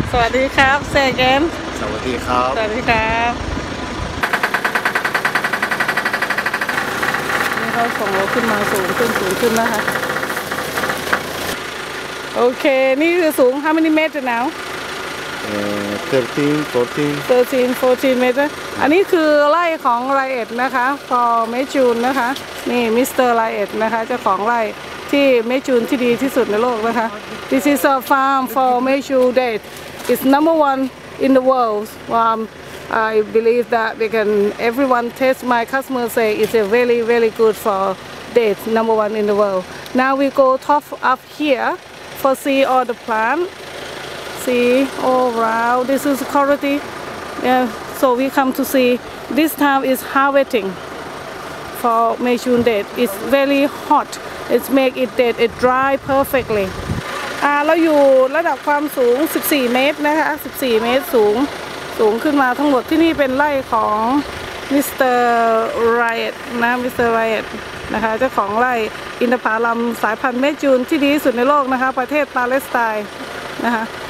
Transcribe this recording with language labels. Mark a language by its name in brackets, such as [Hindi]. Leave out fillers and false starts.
[Thai] สวัสดีครับเซเกน สวัสดีครับ สวัสดีครับนี่เขาส่งรถขึ้นมาสูงขึ้นสูงขึ้นนะคะโอเคนี่คือสูง [English] how many meter now 13 14 meter [Thai] อันนี้คือไร่ของไรเอ็ดนะคะพอเมจูนนะคะนี่มิสเตอร์ไรเอ็ดนะคะเจ้าของไร่ที่เมจูนที่ดีที่สุดในโลกนะคะ [English] This is a farm for Meju date It's number one in the world I believe that they can everyone taste my customer say it's a very very good for date number one in the world Now we go top up here for see all the plant see all around this is quality yeah so we come to see this time is harvesting. For Meijun date, it's very hot. It's make it date. It dry perfectly. [Thai] เราอยู่ระดับความสูง14เมตรนะคะ14เมตรสูงขึ้นมาทั้งหมดที่นี่เป็นไร่ของมิสเตอร์ไรเอ็ดนะมิสเตอร์ไรเอ็ดนะคะเจ้าของไร่อินทผลัมสายพันธุ์เมจูนที่ดีที่สุดในโลกนะคะประเทศปาเลสไตน์นะคะ